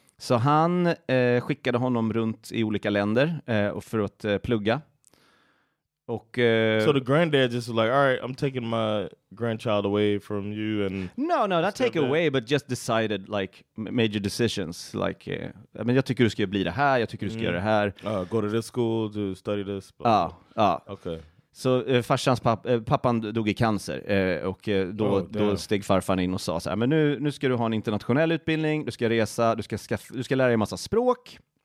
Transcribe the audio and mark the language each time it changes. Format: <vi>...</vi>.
<sv>Så han skickade honom runt i olika länder och för att plugga. Och,</sv> <en>so the granddad just was like, all right, I'm taking my grandchild away from you and... No, not take away, but just decided, like, major decisions.</en> <sv>Like, jag tycker du ska bli det här, jag tycker du ska göra det här.</sv> <en>Go to this school to study this.</en> <sv>Ja, ah, ja. Ah.</sv> <en>Okay.</en> <sv>Så farsans pappan dog i cancer. Och då steg farfan in och sa så här, men nu ska du ha en internationell utbildning, du ska resa, du ska lära dig en massa språk.</sv>